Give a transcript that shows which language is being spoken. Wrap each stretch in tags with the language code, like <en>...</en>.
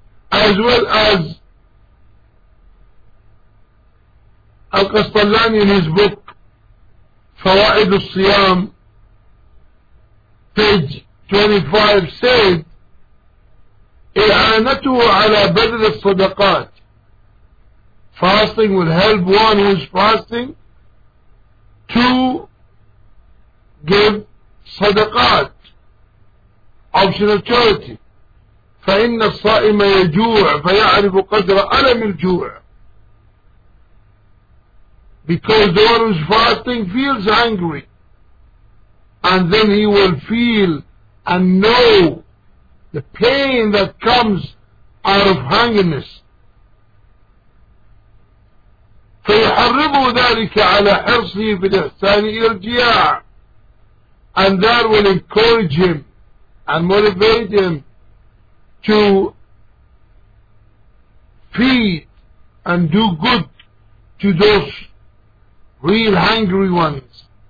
<en>As well as Al-Qasqalani in his book Fawaid al-Siyam, page 25, said</en> <ar>إعانته على بذل الصدقات.</ar> <en>Fasting will help one who is fasting to give صدقات, optional charity.</en> <ar>فإن الصائم يجوع فيعرف قدر ألم الجوع.</ar> <en>Because the one who is fasting feels hungry, and then he will feel and know the pain that comes out of hungerness.</en> <ar>فيحرّبه ذلك على حرصه في الإحسان إلى الجياع.</ar> <en>And that will encourage him and motivate him to feed and do good to those real hungry ones.</en>